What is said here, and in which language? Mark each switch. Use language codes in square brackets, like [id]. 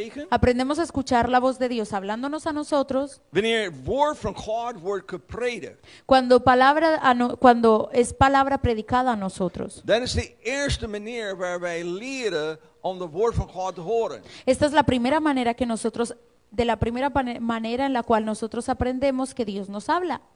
[es] Aprendemos a escuchar la voz de Dios hablándonos a nosotros. [nl] Wanneer woord van God wordt gepredikt. [es] Cuando es palabra predicada a nosotros. [nl] Dan is de eerste manier waar wij leren om de woord van God te horen. [es] Esta es la primera manera que nosotros de la primera manera en la cual nosotros aprendemos que Dios nos habla.